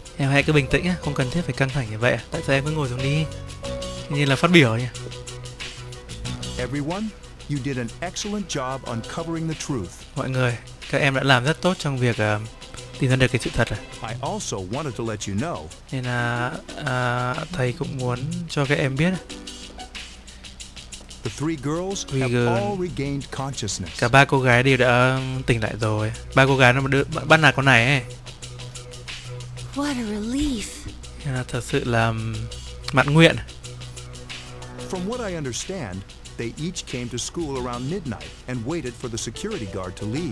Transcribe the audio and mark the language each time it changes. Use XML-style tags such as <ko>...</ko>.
<vi>Em hãy cứ bình tĩnh nhé, không cần thiết phải căng thẳng như vậy. Tại sao em cứ ngồi xuống đi? Như là phát biểu nhỉ?</vi> <en>Everyone, you did an excellent job uncovering the truth.</en> <vi>Mọi người, các em đã làm rất tốt trong việc tìm ra được cái sự thật này.</vi> <en>I also wanted to let you know.</en> <vi>Nên là thầy cũng muốn cho các em biết.</vi> <en>The three girls have all regained consciousness.</en> <vi>Cả ba cô gái đều đã tỉnh lại rồi. Ba cô gái nó bắt nạt con này ấy.</vi> <en>What a relief.</en> <vi>Nên là thật sự là mãn nguyện.</vi> <en>From what I understand, they each came to school around midnight and waited for the security guard to leave.</en>